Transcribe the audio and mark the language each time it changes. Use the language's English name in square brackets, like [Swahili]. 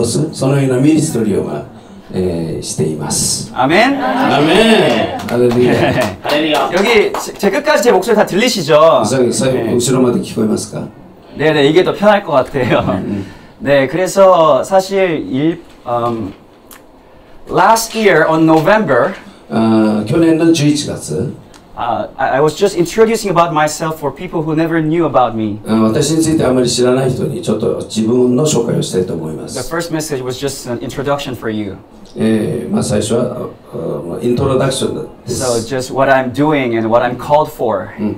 [Japanese] ですから私たち私のミニストリーを通して私花嫁たちを起こすそして初めの愛を取り戻すそのようなミニストリーをしています。 [Korean] 아멘. 아멘. 할렐루야. 여기 제 끝까지 제 목소리 다 들리시죠? 목소리만 들리고 있습니까? 네네, 이게 더 편할 것 같아요. 네, 그래서 사실 [English] last year on November. [Japanese] 去年の11月. [English] I was just introducing about myself for people who never knew about me. [Japanese] 私についてあまり知らない人にちょっと自分の紹介をしたいと思います。 [English] The first message was just an introduction for you. [Japanese] まあ最初はイントロダクションです。 [English] So just what I'm doing and what I'm called for.